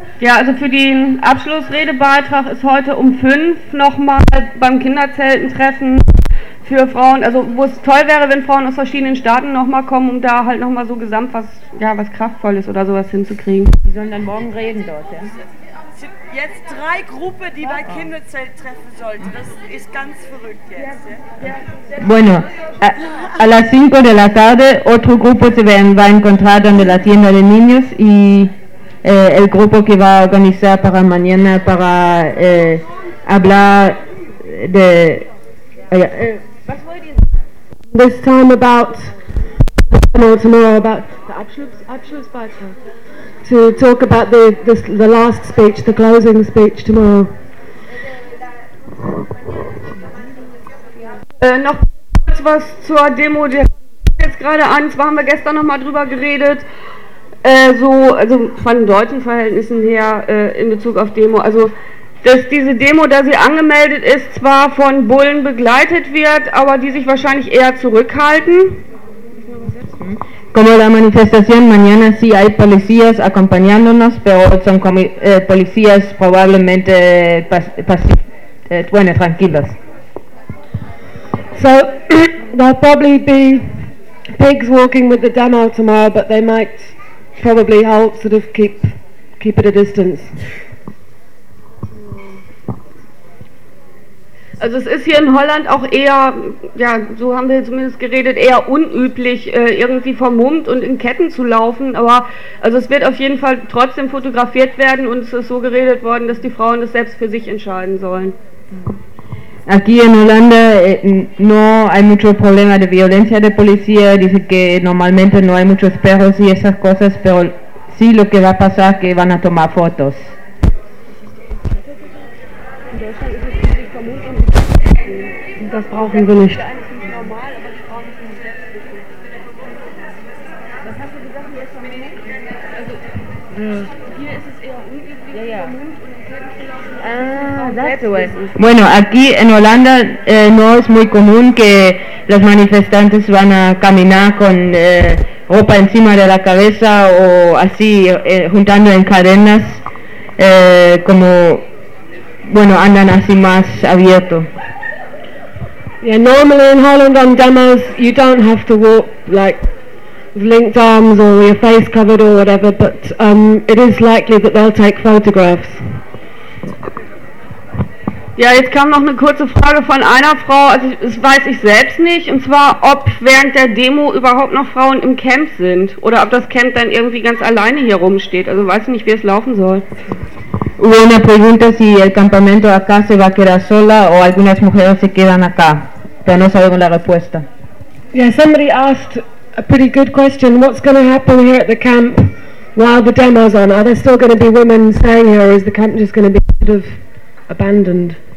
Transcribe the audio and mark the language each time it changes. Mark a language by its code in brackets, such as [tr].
[de] Also für den Abschlussredebeitrag ist heute um 5 nochmal beim Kinderzeltentreffen für Frauen, also wo es toll wäre, wenn Frauen aus verschiedenen Staaten nochmal kommen, um da halt nochmal so gesamt was, ja, was Kraftvolles oder sowas hinzukriegen. Die sollen dann morgen reden dort, ja? Jetzt 3 Gruppen, die bei Kinderzelt treffen sollten. Das ist ganz verrückt jetzt. Ja. [es] Bueno, a las 5 de la tarde, otro grupo se va a encontrar donde la tienda de niños y el grupo que va a organizar para mañana para hablar [en] the [de] was wollt ihr [en] this time about tomorrow about the Abschlussbeitrag to talk about the last speech, the closing speech tomorrow. [de] Noch kurz was zur Demo, die jetzt gerade an, zwar haben wir gestern noch mal drüber geredet, also von deutschen Verhältnissen her in Bezug auf Demo, also dass diese Demo, da sie angemeldet ist, zwar von Bullen begleitet wird, aber die sich wahrscheinlich eher zurückhalten. [es] Como la manifestación mañana sí hay policías acompañándonos, pero son policías probablemente bueno, tranquilos. [en] So there'll probably be pigs walking with the demo tomorrow, but they might probably help sort of keep at a distance. [de] Also es ist hier in Holland auch eher, ja, so haben wir zumindest geredet, eher unüblich, irgendwie vermummt und in Ketten zu laufen. Aber also es wird auf jeden Fall trotzdem fotografiert werden und es ist so geredet worden, dass die Frauen das selbst für sich entscheiden sollen. [es] Aquí en Holanda no hay mucho problema de violencia de policía. Dice que normalmente no hay muchos perros y esas cosas, pero sí lo que va a pasar que van a tomar fotos. [de] Das brauchen wir nicht. Das hast du gesagt, hier ist es eher unüblich. Ja, ja. [es] Ah, bueno, aquí en Holanda no es muy común que los manifestantes van a caminar con ropa encima de la cabeza o así juntando en cadenas, como bueno, andan así más abierto. [en] Yeah, normally in Holland on demos you don't have to walk like with linked arms or your face covered or whatever, but it is likely that they'll take photographs. [de] Ja, jetzt kam noch eine kurze Frage von einer Frau, also das weiß ich selbst nicht, und zwar ob während der Demo überhaupt noch Frauen im Camp sind oder ob das Camp dann irgendwie ganz alleine hier rumsteht, also weiß ich nicht, wie es laufen soll. [es] Hubo una pregunta si el campamento acá se va a quedar sola o algunas mujeres se quedan acá, pero no sabemos la respuesta. [en] Yeah, somebody asked a pretty good question. What's going to happen here at the camp while the demo's on? Are there still going to be women staying here, or is the camp just going to be sort of abandoned?